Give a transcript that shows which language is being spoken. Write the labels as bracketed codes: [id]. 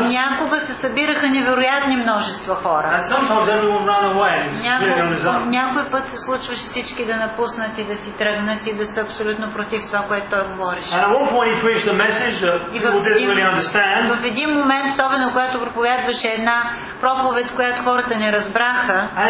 [bg] Някога се събираха невероятни множества хора. [en] And sometimes everyone ran away. [bg] Някой път се случваше всички да напуснат и да си тръгнат и да са абсолютно против това, което той говореше. [en] And at one point he preached a message that people didn't really understand. [bg] В един момент, особено когато проповядваше една проповед, която хората не разбраха